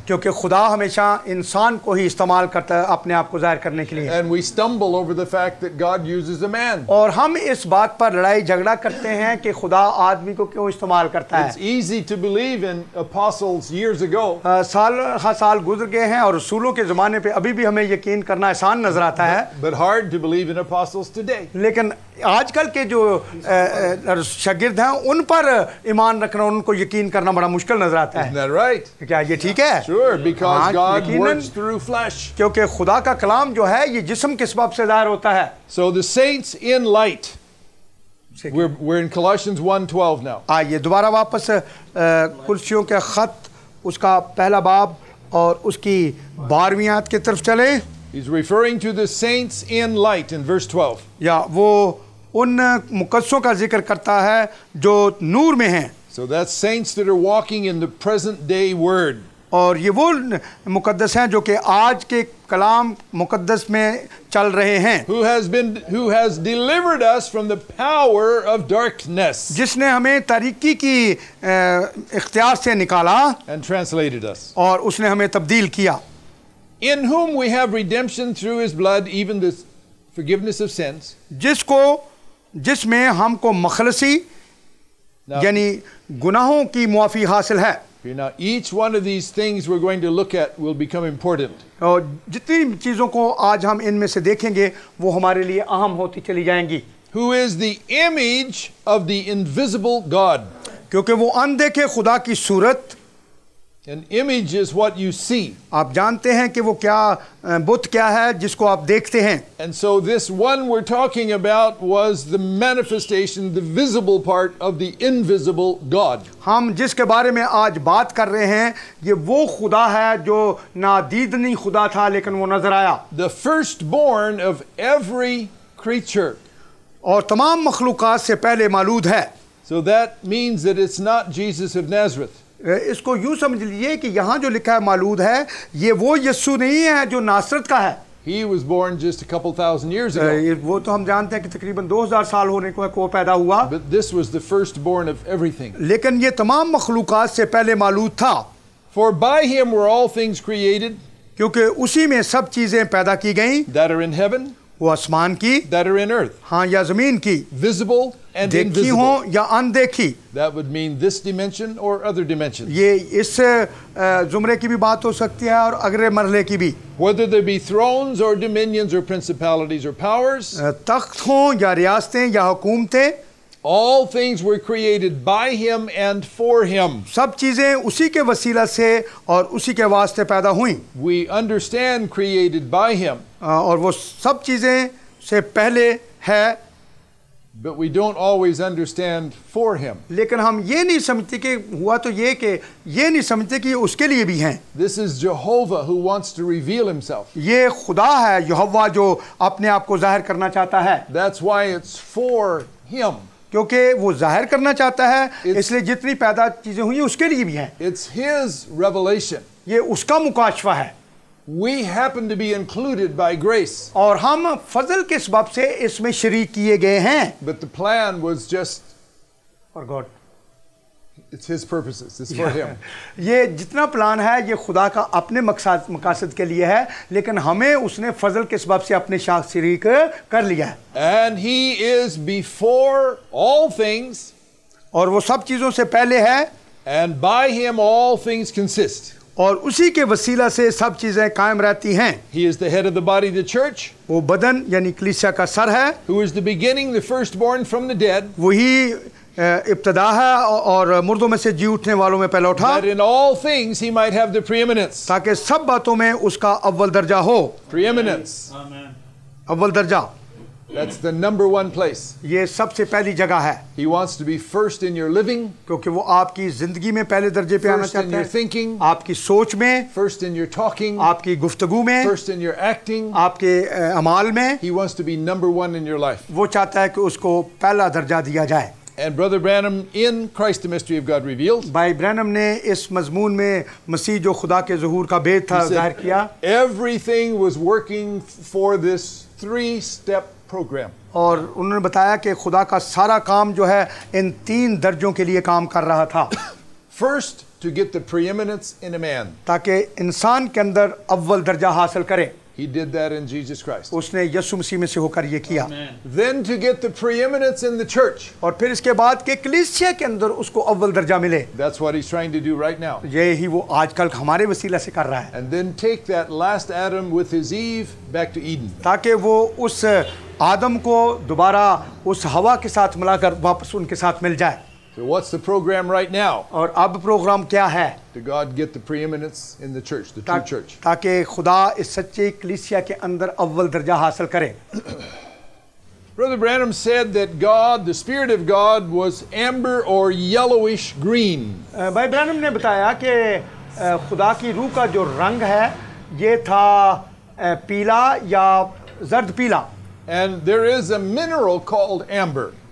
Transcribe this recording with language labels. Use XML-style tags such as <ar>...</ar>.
<hi>क्योंकि खुदा हमेशा इंसान को ही इस्तेमाल करता है अपने आप को जाहिर करने के लिए.</hi> <en>And we stumble over the fact that God uses a man.</en> <hi>और हम इस बात पर लड़ाई झगड़ा करते हैं कि खुदा आदमी को क्यों इस्तेमाल करता है.</hi> <en>It's easy to believe in apostles years ago.</en> <hi>साल गुजर गए हैं और रसूलों के जमाने पे अभी भी हमें यकीन करना आसान नजर आता है.</hi> <en>But hard to believe in apostles today.</en> <hi>लेकिन आजकल के जो शागिर्द हैं उन पर ईमान रखना, उनको यकीन करना बड़ा मुश्किल नजर आता है.</hi> <en>Isn't that right?</en> <hi>क्या ये ठीक है?</hi> <en>Sure, because God works through flesh.</en> <hi>क्योंकि खुदा का कलाम जो है ये जिस्म के सबब से जाहिर होता है.</hi> <en>So the saints in light. We're in Colossians 1:12 now.</en> <hi>आइए दोबारा वापस कुलसियों के खत उसका पहला बाब और उसकी 12वीं आयत की तरफ चले.</hi> <en>He's referring to the saints in light in verse 12.</en> <hi>Yeah, वो उन मुकद्दसों का जिक्र करता है जो नूर में हैं.</hi> <en>So that's saints that are walking in the present day word.</en> <hi>और ये वो मुकद्दस हैं जो कि आज के कलाम मुकद्दस में चल रहे हैं.</hi> <en>Who has delivered us from the power of darkness.</en> <hi>जिसने हमें तारीकी की इख्तियार से निकाला.</hi> <en>And translated us.</en> <hi>और उसने हमें तब्दील किया.</hi> <en>In whom we have redemption through his blood, even this forgiveness of sins.</en> <hi>जिसको जिसमें हमको मखलसी यानी गुनाहों की मुआफी हासिल है.</hi> <en>Now, each one of these things we're going to look at will become important.</en> <hi>और जितनी चीजों को आज हम इनमें से देखेंगे वो हमारे लिए अहम होती चली जाएंगी.</hi> <en>Who is the image of the invisible God?</en> <hi>क्योंकि वो अनदेखे खुदा की सूरत.</hi> <en>An image is what you see.</en> <hi>आप जानते हैं कि वो क्या बुत क्या है जिसको आप देखते हैं.</hi> <en>And so this one we're talking about was the manifestation, the visible part of the invisible God.</en> <hi>हम जिसके बारे में आज बात कर रहे हैं ये वो खुदा है जो नादीदनी खुदा था लेकिन वो नजर आया.</hi> <en>The firstborn of every creature.</en> <hi>और तमाम मखलूकात से पहले मौलूद है.</hi> <en>So that means that it's not Jesus of Nazareth.</en> <hi>इसको यूं समझ लीजिए कि यहां जो लिखा है मौलूद है ये वो यीशु नहीं है जो नासरत का है.</hi> <en>He was born just a couple thousand years ago.</en> <hi>वो तो हम जानते हैं कि तकरीबन 2000 साल होने को है वो पैदा हुआ.</hi> <en>But this was the firstborn of everything.</en> <hi>लेकिन ये तमाम मखलूकात से पहले मौलूद था.</hi> <en>For by him were all things created.</en> <hi>क्योंकि उसी में सब चीजें पैदा की गईं.</hi> <en>That are in heaven.</en> <hi>वो आसमान की.</hi> <en>That are in earth.</en> <hi>हाँ या जमीन की.</hi> <en>Visible and</en> <hi>देखी</hi> <en>invisible.</en> <hi>देखी हों या अनदेखी.</hi> <en>That would mean this dimension or other dimensions.</en> <hi>ये इस जुमरे की भी बात हो सकती है और अगले मरले की भी.</hi> <en>Whether there be thrones or dominions or principalities or powers.</en> <hi>तख्त हों या रियासतें या हुकूमतें.</hi> <en>All things were created by him and for him.</en> <hi>सब चीजें उसी के वसीला से और उसी के वास्ते पैदा हुईं.</hi> <en>We understand created by him.</en> <hi>और वो सब चीजें से पहले है.</hi> <en>But we don't always understand for him.</en> <hi>लेकिन हम ये नहीं समझते कि हुआ तो ये कि ये नहीं समझते कि उसके लिए भी हैं.</hi> <en>This is Jehovah who wants to reveal himself.</en> <hi>ये खुदा है यहोवा जो अपने आप को जाहिर करना चाहता है.</hi> <en>That's why it's for him.</en> <hi>क्योंकि वो जाहिर करना चाहता है इसलिए जितनी पैदा चीजें हुई उसके लिए भी हैं.</hi> <en>It's his revelation.</en> <hi>ये उसका मुकाशवा है.</hi> <en>We happen to be included by grace.</en> <hi>और हम फजल के सबब से इसमें शरीक किए गए हैं.</hi> <en>But the plan was just for God. It's his purposes. It's for him.</en> <hi>ये जितना प्लान है ये खुदा का अपने मकसद के लिए है लेकिन हमें उसने फजल के सबब से अपने साथ शरीक कर लिया है.</hi> <en>And he is before all things.</en> <hi>और वो सब चीजों से पहले है.</hi> <en>And by him all things consist.</en> <hi>और उसी के वसीला से सब चीजें कायम रहती हैं।</hi> <en>He is the head of the body of the church.</en> <hi>वो बदन यानी कलीसिया का सर है।</hi> <en>Who is the beginning, the firstborn from the dead.</en> <hi>वही इब्तदा है और मुर्दों में से जी उठने वालों में पहला उठा।</hi> <en>That in all things he might have the preeminence.</en> <hi>ताकि सब बातों में उसका अव्वल दर्जा हो।</hi> <en>Preeminence. Amen.</en> <hi>अव्वल दर्जा।</hi> <en>That's the number one place.</en> <hi>ये सबसे पहली जगह है।</hi> <en>He wants to be first in your living.</en> <hi>क्योंकि वो आपकी जिंदगी में पहले दर्जे पे आना चाहते हैं।</hi> <en>First in your thinking.</en> <hi>आपकी सोच में।</hi> <en>First in your talking.</en> <hi>आपकी गुफ्तगू में।</hi> <en>First in your acting.</en> <hi>आपके अमाल में।</hi> <en>He wants to be number one in your life.</en> <hi>वो चाहता है कि उसको पहला दर्जा दिया जाए।</hi> <en>And Brother Branham, in Christ the Mystery of God Revealed.</en> <hi>By Branham ने इस मज़मून में मसीह जो खुदा के ज़हूर का भेद था ज़ाहिर किया।</hi> <en>Everything was working for this three-step program.</en> <hi>और उन्होंने बताया कि खुदा का सारा काम जो है इन तीन दर्जों के लिए काम कर रहा था।</hi> <en>First, to get the preeminence in a man.</en> <hi>ताकि इंसान के अंदर अव्वल दर्जा हासिल करे।</hi> <en>He did that in Jesus Christ.</en> <hi>उसने यीशु मसीह में से होकर ये किया।</hi> <en>Then to get the preeminence in the church.</en> <hi>और फिर इसके बाद के कलीसिया के अंदर उसको अव्वल दर्जा मिले।</hi> <en>That's what he's trying to do right now.</en> <hi>ये ही वो आजकल हमारे वसीले से कर रहा है।</hi> <en>And then take that last Adam with his Eve back to Eden.</en> <hi>ताकि वो उस आदम को दोबारा उस हवा के साथ मिलाकर वापस उनके साथ मिल जाए।</hi> <en>So what's the program right now?</en> <hi>और अब प्रोग्राम क्या है?</hi> <en>To God get the preeminence in the church, the true church.</en> <hi>ताकि खुदा इस सच्चे कलीसिया के अंदर अव्वल दर्जा हासिल करे।</hi> <en>Brother Branham said that God, the Spirit of God, was amber or yellowish green.</en> <hi>भाई ब्रैनम ने बताया कि खुदा की रूह का जो रंग है, ये था पीला या जर्द पीला।</hi> <en>And there is a mineral called amber.</en>